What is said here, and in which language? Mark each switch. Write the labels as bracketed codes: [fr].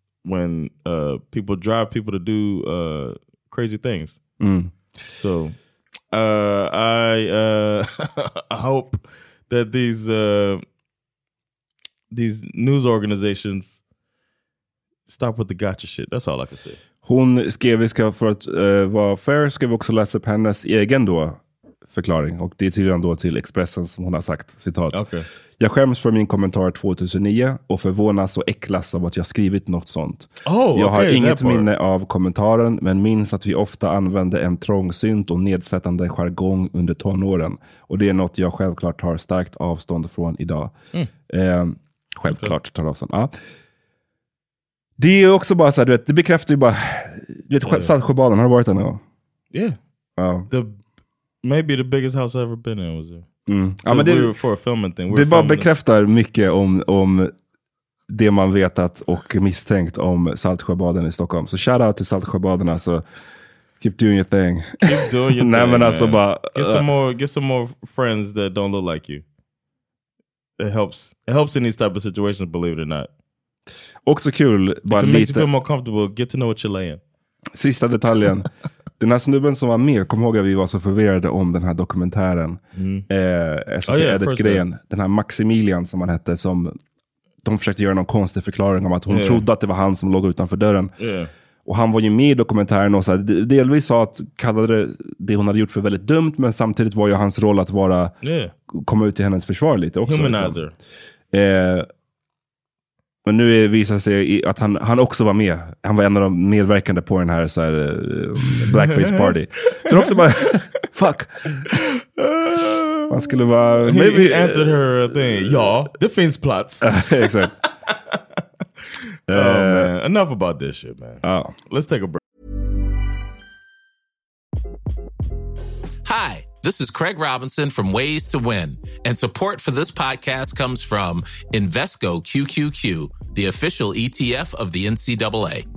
[en] When people drive people to do crazy things. Mm. So I hope that these news organizations stop with the gotcha shit. That's all I can say. [sv] Hon skrev, för att vara fair, skrev också läsa upp hennes egen då förklaring. Och det är tydligen då till Expressen som hon har sagt, citat. [en] Okay. [sv] Jag skäms för min kommentar 2009 och förvånas och äcklas av att jag skrivit något sånt. Oh, jag har okay, inget minne av kommentaren, men minns att vi ofta använde en trångsynt och nedsättande jargong under tonåren. Och det är något jag självklart tar starkt avstånd från idag. Självklart tar avstånd. Ja. Det är också bara så här, du vet, det bekräftar ju bara... Du vet, Saltsjöbaden, har du varit där någon gång? Yeah. Ja. [en] Maybe the biggest house I've ever been in was there. [sv] Mm. Ja, men det bara bekräftar mycket om det man vetat och misstänkt om Saltsjöbaden i Stockholm. Så shout out till Saltsjöbaden, alltså. [en] Keep doing your thing. Keep doing your [sv] nej, [en] thing, [sv] men alltså, man. Bara, [en] get some more friends that don't look like you. It helps in these type of situations, believe it or not. [sv] Också kul. Bara [en] if it [sv] lite. [en] Makes you feel more comfortable, get to know what you're laying. [sv] Sista detaljen. Den här snubben som var med, kom ihåg att vi var så förvirrade om den här dokumentären. Edit-grejen. Den här Maximilian som han hette, som de försökte göra någon konstig förklaring om att hon trodde att det var han som låg utanför dörren. Yeah. Och han var ju med i dokumentären och så här, delvis sa att kallade det hon hade gjort för väldigt dumt, men samtidigt var ju hans roll att vara komma ut i hennes försvar lite också. [en] Humanizer. [sv] Men nu visar det sig att han också var med. Han var en av de medverkande på den här, så här blackface party. Så också bara, fuck. Man skulle bara... [en] Maybe he answered her thing. [sv] Ja, det finns plats. Exakt. Man. [en] Enough about this shit, man. Oh. Let's take a break. Hi. This is Craig Robinson from Ways to Win, and support for this podcast comes from Invesco QQQ, the official ETF of the NCAA.